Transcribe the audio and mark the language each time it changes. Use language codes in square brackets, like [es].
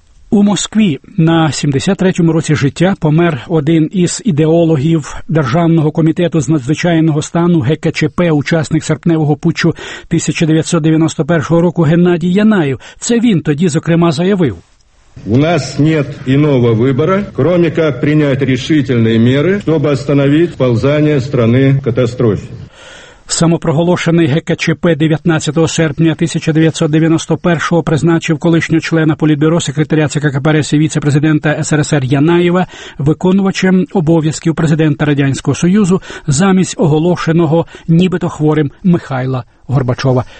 [uk] У Москві на 73-му році життя помер один із ідеологів Державного комітету з надзвичайного стану ГКЧП, учасник серпневого путчу 1991 року Геннадій Янаєв. Це він тоді, зокрема, заявив. [ru] У нас нет иного выбора, кроме как принять решительные меры, чтобы остановить сползание страны в катастрофе. [uk] Самопроголошений ГКЧП 19 серпня 1991-го призначив колишнього члена Політбюро, секретаря ЦК КПРС і віце-президента СРСР Янаєва виконувачем обов'язків президента Радянського Союзу замість оголошеного нібито хворим Михайла Горбачова.